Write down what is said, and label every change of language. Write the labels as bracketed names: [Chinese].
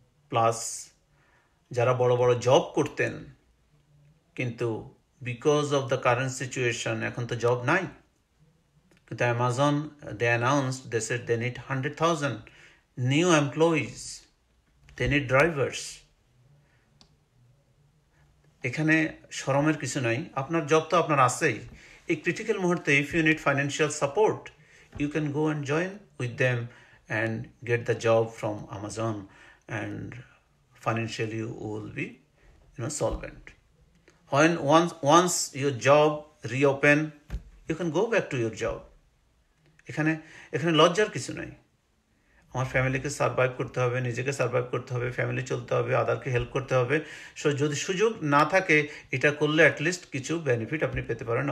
[English] plus [Bangla] যারা বড় বড় জব করতেন কিন্তু [English] because of the current situation, [Bangla] এখন তো জব নাই, [English] কিন্তু Amazon they announce they said they need 100,000 new employees, they need drivers. [Bangla] এখানে শরমের কিছু নাই, আপনার জব তো আপনার আছেই, [English] এই ক্রিটিক্যাল মুহূর্তে if you need financial support you can go and join with them and get the job from Amazon, and financially you will be, you know, solvent. When once your job reopen, you can go back to your job. [Bangla] এখানে এখানে লজ্জার কিছু নাই। আমার ফ্যামিলিকে survive করতে হবে, নিজেকে সার্ভাইভ করতে হবে, ফ্যামিলি চলতে হবে, আদারকে হেল্প করতে হবে। সো যদি সুযোগ না থাকে, এটা করলে অ্যাটলিস্ট কিছু বেনিফিট আপনি পেতে পারেন।